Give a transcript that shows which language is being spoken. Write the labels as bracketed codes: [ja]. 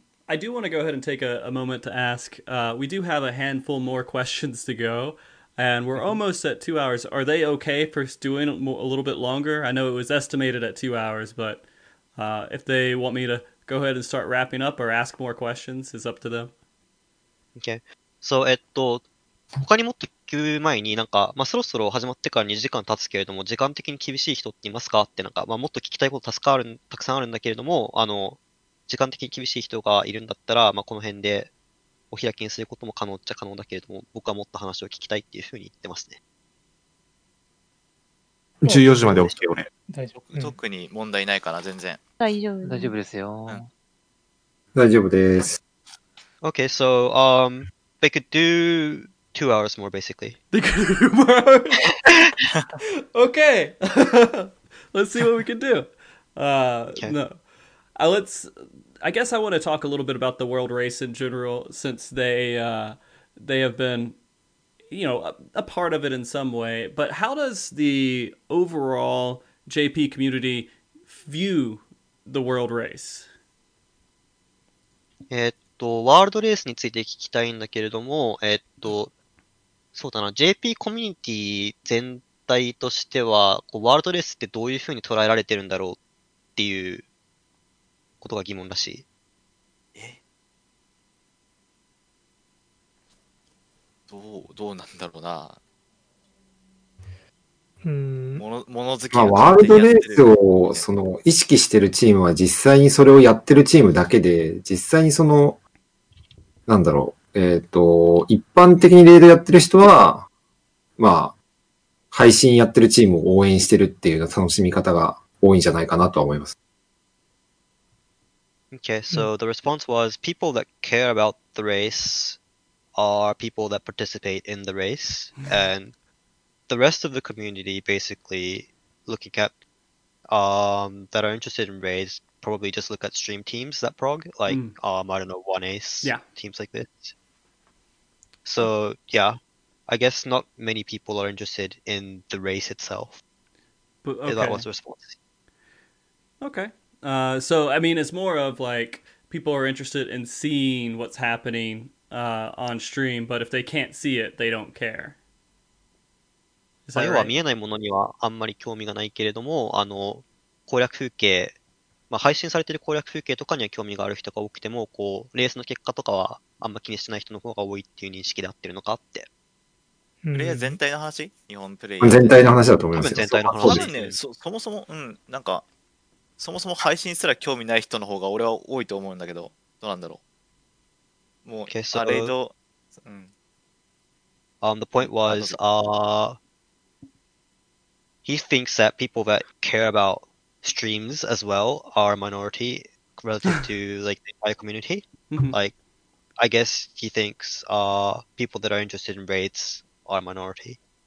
[en] I do want to go ahead and take a moment to ask, we do have a handful more questions to go, and we're almost at 2 hours. Are they okay for doing a little bit longer? I know it was estimated at 2 hours, but if they want me to go ahead and start wrapping up or ask more questions, it's up to them. Okay. [ja] So, 他にもっと聞く前になんか、まあ、そろそろ始まってから2時間経つけれども、時間的に厳しい人っていますかってなんか、まあ、もっと聞きたいことたくさんあるんだけれども、あの、時間的に厳しい人がいるんだったら、まあ、この辺でお開きにすることも可能っちゃ可能だけれども、僕はもっと話を聞きたいっていうふうに言ってますね。 14時まで OK、俺。大丈夫。特に問題ないかな、全然。大丈夫。大丈夫ですよ。うん、大丈夫です。 [en] Okay, so, they could do 2 hours more, basically. They could do more hours? Okay. Let's see what we can do. Okay. No. I guess I want to talk a little bit about the world race in general, since they have been, you know, a part of it in some way. But how does the overall JP community view the world race? [ja] ワールドレースについて聞きたいんだけれども、そうだな、JP コミュニティ全体としては、ワールドレースってどういうふうに捉えられてるんだろうっていうことが疑問らしい。どうなんだろうな。物好きな。ワールドレースを、その、意識してるチームは実際にそれをやってるチームだけで、実際にその、なんだろう。一般的にレイドやってる人は、まあ、配信やってるチームを応援してるっていう楽しみ方が多いんじゃないかなと思います。 [en] Okay, so the response was, people that care about the race are people that participate in the race, and the rest of the community basically looking at, that are interested in raids,probably just look at stream teams that prog, like, I don't know, 1ace, yeah. Teams like this. So, yeah, I guess not many people are interested in the race itself. But, okay. That was the response. Okay. So, I mean, it's more of, like, people are interested in seeing what's happening on stream, but if they can't see it, they don't care. Is that right? [ja] 要は見えないものにはあんまり興味がないけれども、あの、攻略風景まあ、配信されている攻略風景とかには興味がある人が多くても、こう、レースの結果とかはあんま気にしてない人の方が多いっていう認識であってるのかって。プレイヤー全体の話？日本プレイヤー。全体の話だと思います。多分全体の話。多分ね、そもそも、うん、なんか、そもそも配信すら興味ない人の方が俺は多いと思うんだけど、どうなんだろう。もう、 [en] okay, so, [ja] あれと、うん。 [en] The point was, he thinks that people that care aboutstreams as well are a minority relative to like the entire community. Like, I guess he thinks people that are interested in raids are a minority.